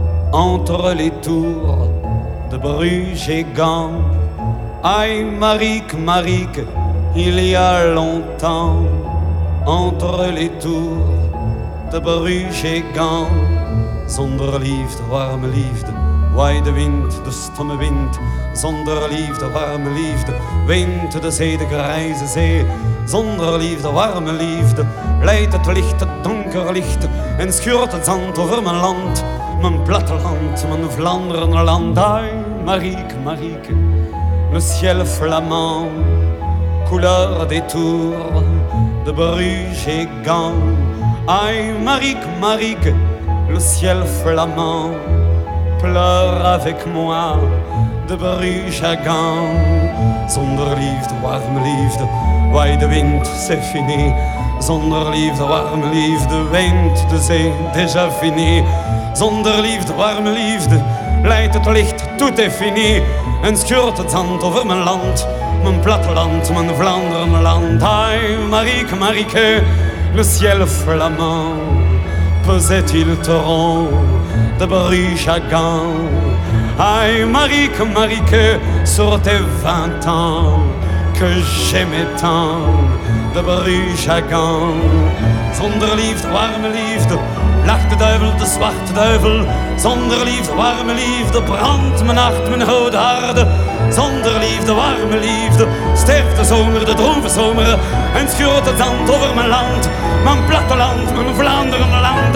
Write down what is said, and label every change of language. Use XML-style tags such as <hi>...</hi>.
<fr>Entre les tours de Bruges et Gand. Aïe, Marique, Marique, il y a longtemps. Entre les tours de Bruges et Gand.</fr> <nl>Zonder liefde, warme liefde, waai de wind, de stomme wind. Zonder liefde, warme liefde, wind de zee, de grijze zee. Zonder liefde, warme liefde, leidt het licht, het donker licht. En schuurt het zand over mijn land, mijn platteland, mijn Vlaanderen land.</nl> <fr>Ai, Marieke, Marieke, monsieur flamand, couleur des tours de Bruges et Gand. Ai, Marieke, Marieke, le ciel flamand pleure avec moi de Bruges à Gand.</fr> <nl>Zonder liefde, warme liefde, waai de wind,</nl> <fr>c'est fini.</fr> <nl>Zonder liefde, warme liefde, wind de zee,</nl> <fr>déjà fini.</fr> <nl>Zonder liefde, warme liefde, leidt het licht,</nl> <fr>tout est fini.</fr> <nl>En schuurt het zand over mijn land, mijn platteland, mijn Vlaanderen land.</nl> <fr>Ai, Marieke, Marieke, le ciel flamand faisait-il torrent de Bruges à Gand. Aïe, Marieke, Marieke, sur tes 20 ans que j'aimais tant de Bruges à Gand.</fr> <nl>Zonder liefde, warme liefde, lacht de duivel, de zwarte duivel. Zonder liefde, warme liefde, brandt mijn hart, mijn rode harde. Zonder liefde, warme liefde, sterft de zomer, de droom van zomer. En schuurt het zand over mijn land, mijn platteland, mijn Vlaanderen land.</nl>